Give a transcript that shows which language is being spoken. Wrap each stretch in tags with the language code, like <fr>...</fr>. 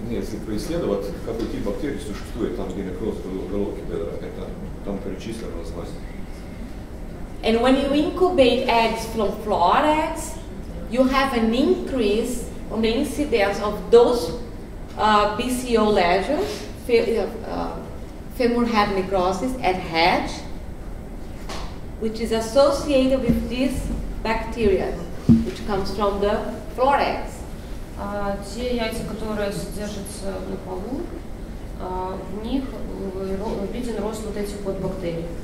<ru>Не, если поисследовать, какой тип бактерий существует там, где некроз головки бедра, это там перечислено название.</ru> <en>And when you incubate eggs from flawed eggs, you have an increase on the incidence of those BCO lesions, femur head necrosis at hatch, which is associated with these bacteria, which comes from the floor eggs.</en> <ru>Те яйца, которые содержатся на полу, в них виден рост вот этих вот бактерий.</ru>